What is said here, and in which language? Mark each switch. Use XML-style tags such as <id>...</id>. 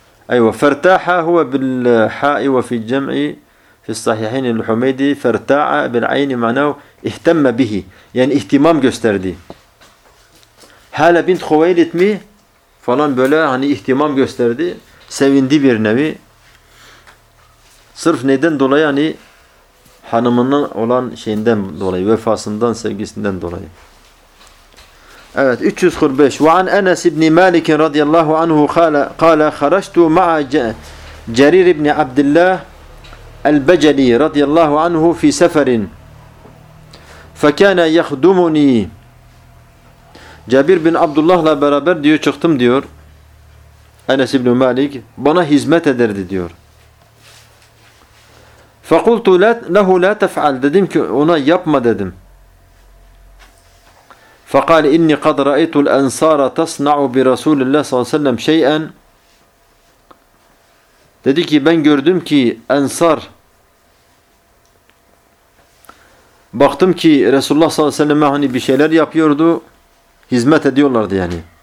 <ar>أيوة فرتاحة هو بالحاء وفي الجمع في الصحيحين الحميدي فرتاعة بالعين معناه اهتم به, يعني اهتمام</ar> <tr>gösterdi. هالة بنت خويلد مي falan böyle hani اهتمام gösterdi, sevindi bir nevi. Sırf neden dolayı, hani hanımının olan şeyinden dolayı, vefasından, sevgisinden dolayı. Evet, 345.</tr> <ar>وعن أنس بن مالك رضي الله عنه قال خرجت مع جرير بن عبد الله البجلي رضي الله عنه في سفر فكان يخدمني.</ar> <tr>جابر بن عبد الله ile beraber diyor çıktım diyor. Enes bin Malik bana hizmet ederdi diyor.</tr> <ar>فقلت له لا تفعل,</ar> <tr>dedim ki ona yapma dedim.</tr> <ar>فقال إني قد رأيت الأنصار تصنع برسول الله صلى الله عليه وسلم شيئا,</ar> <tr>dedi ki ben gördüm ki Ensar, baktım ki Resulullah sallallahu aleyhi ve sellem hani bir şeyler yapıyordu, hizmet ediyorlardı yani.</tr>